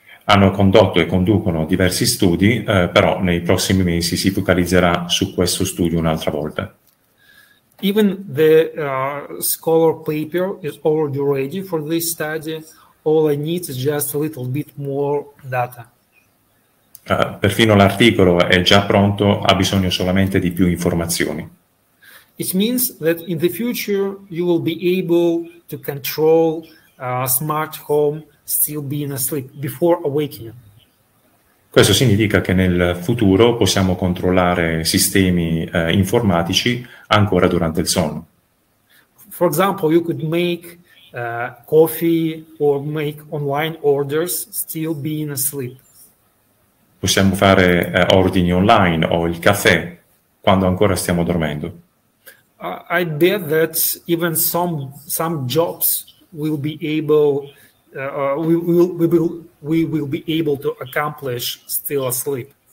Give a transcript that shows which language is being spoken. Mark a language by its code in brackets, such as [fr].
[it] hanno condotto e conducono diversi studi, però nei prossimi mesi si focalizzerà su questo studio un'altra volta. [en] Even the scholar paper is already ready for this study. All I need is just a little bit more data. [it] Perfino l'articolo è già pronto, ha bisogno solamente di più informazioni. [en] It means that in the future you will be able to control smart home still being asleep before awakening. [it] Questo significa che nel futuro possiamo controllare sistemi informatici ancora durante il sonno. [en] For example, you could make coffee or make online orders still being asleep. [it] Possiamo fare ordini online o il caffè quando ancora stiamo dormendo. [en] I bet that even some jobs will be able we will be able to accomplish still asleep.